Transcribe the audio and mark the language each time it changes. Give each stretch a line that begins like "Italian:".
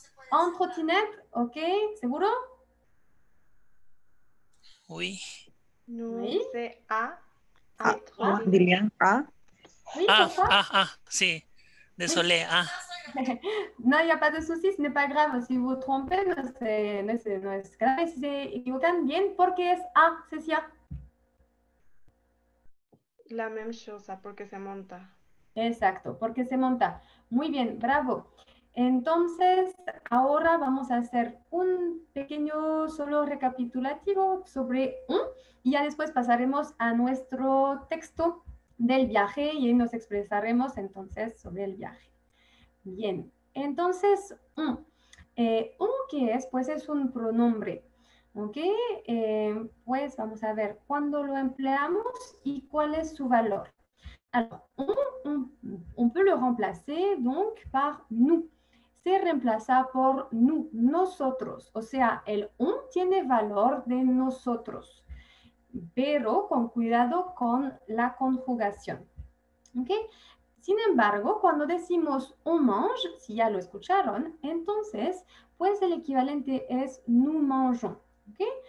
Spanish: En trottinette, ok, seguro?
French: Oui.
Spanish: No,
French: oui. C'est A. A. Oui, sí. Désolé, A. No, il n'y a pas de souci, ce n'est pas grave. Si vous trompez,
Spanish: no es grave. Si se equivocan, bien, porque es A, Cecilia.
French: La même chose, porque se monta.
Spanish: Exacto, porque se monta. Muy bien, bravo. Entonces, ahora vamos a hacer un pequeño solo recapitulativo sobre un y ya después pasaremos a nuestro texto del viaje y nos expresaremos entonces sobre el viaje. Bien, entonces, un. ¿Un qué es? Pues es un pronombre. Ok, pues vamos a ver cuándo lo empleamos y cuál es su valor.
French: Alors, on peut le remplacer donc par nous.
Spanish: Se reemplaza por nous, nosotros. O sea, el on tiene valor de nosotros, pero con cuidado con la conjugación. Ok, sin embargo, cuando decimos on mange, si ya lo escucharon, entonces, pues el equivalente es
French: nous mangeons.
Spanish: ¿Okay?